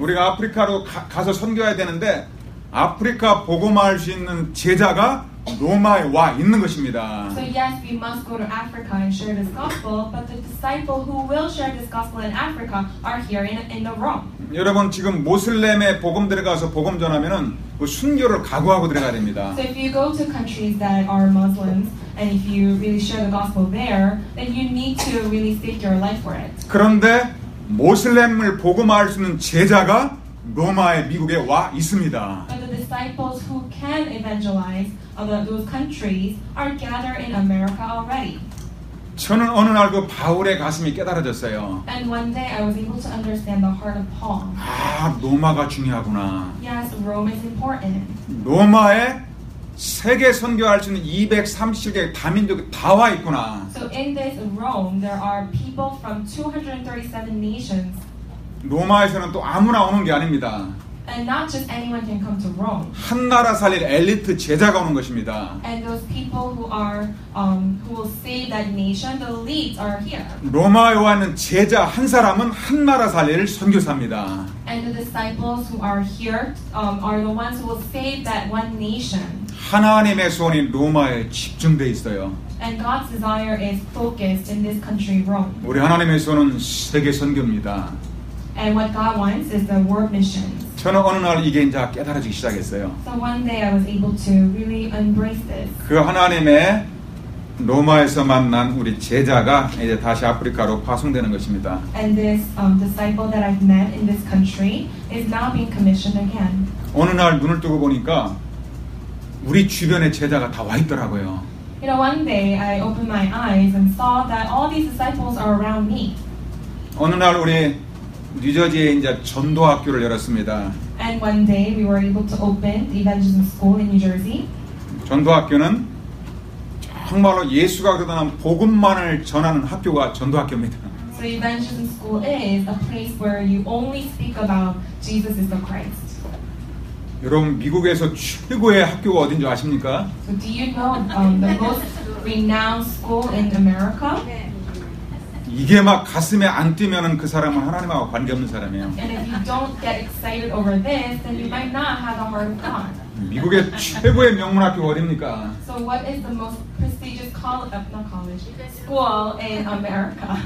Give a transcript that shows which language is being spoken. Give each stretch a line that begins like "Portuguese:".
Korean: 우리가 아프리카로 가서 선교해야 되는데 아프리카 복음화할 수 있는 제자가 로마에 와 있는 것입니다.
English: So yes, we must go to Africa and share this gospel, but the disciple who will share this gospel in Africa are here in the Rome.
Korean: 여러분, 지금 모슬렘에 복음 들어가서 복음 전하면은 그 순교를 각오하고 들어가야 됩니다.
English: So if you go to countries that are Muslims, and if you really share the gospel there, then you need to really stake your life for it.
Korean: 그런데 모슬렘을 복음화할 수 있는 제자가 로마에 미국에 와 있습니다.
English: But the disciples who can evangelize those countries are gathered in America already.
Korean: 저는 어느 날 그 바울의 가슴이 깨달아졌어요.
English: And one day I was able to understand the heart of Paul.
Korean: 아, 로마가 중요하구나.
English: Yes, Rome is important.
Korean: 로마에 세계 선교할 수 있는 230개 다민족이 다 와 있구나.
English: So in this Rome there are people from 237 nations.
Korean: 로마에서는 또 아무나 오는 게 아닙니다.
English: And not just anyone can come to Rome.
Korean: 한 나라 살릴 엘리트 제자가 오는 것입니다.
English: And those people who are who will save that nation, the elites are here.
Korean: 로마에 와 있는 제자 한 사람은 한 나라 살릴 선교사입니다.
English: And the disciples who are here are the ones who will save that one nation.
Korean: 하나님의 손이 로마에 집중돼 있어요.
English: And God's desire is focused in this country, Rome.
Korean: 우리 하나님의 손은 세계 선교입니다.
English: And what God wants is the world mission.
Korean: 저는 어느 날 이게 이제 깨달아지기 시작했어요.
English: So one day I was able to really embrace this.
Korean: 그 하나님의 로마에서 만난 우리 제자가 이제 다시 아프리카로 파송되는 것입니다.
English: And this disciple that I've met in this country is now being commissioned again.
Korean: 어느 날 눈을 뜨고 보니까 우리 주변에 제자가 다 와 있더라고요.
English: You know, one day I opened my eyes and saw that all these disciples are around me.
Korean: 어느 날 우리 뉴저지에 이제 전도학교를 열었습니다.
English: And one day we were able to open the evangelism school in New Jersey.
Korean: 전도학교는 정말로 예수가 그리스도라는 복음만을 전하는 학교가 전도학교입니다.
English: So evangelism school is a place where you only speak about Jesus is the Christ.
Korean: 여러분 미국에서 최고의 학교가 어딘지 아십니까?
English: So do you know the most renowned school in America?
Korean: 이게 막 가슴에 안 뛰면은 그 사람은 하나님하고 관계 없는 사람이에요.
English: And if you don't get excited over this, then you might not have a heart of God.
Korean: 미국의 최고의 명문 학교 어디입니까?
English: So what is the most prestigious college, not college, school in America?